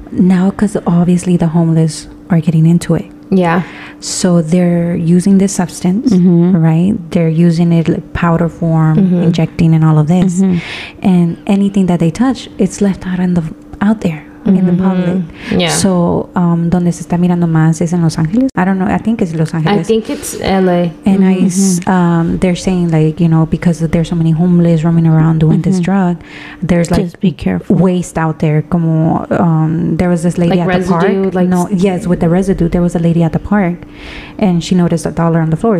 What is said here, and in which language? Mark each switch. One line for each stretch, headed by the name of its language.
English: Now, because obviously the homeless are getting into it. Yeah. So they're using this substance, mm-hmm. right? They're using it like powder form, mm-hmm. injecting and all of this. Mm-hmm. And anything that they touch, it's left out there. In the public. Mm-hmm. Yeah.
Spanish: So, donde se está mirando más es en Los Ángeles.
English: I don't know. I think it's Los Ángeles. I think it's LA. And mm-hmm. They're saying, like, you know, because there's so many homeless roaming around doing mm-hmm. this drug, there's like just be careful. Waste out there. Como, there was this lady like at residue, the park. Like no, yes, with the residue. There was a lady at the park and she noticed a dollar on the floor.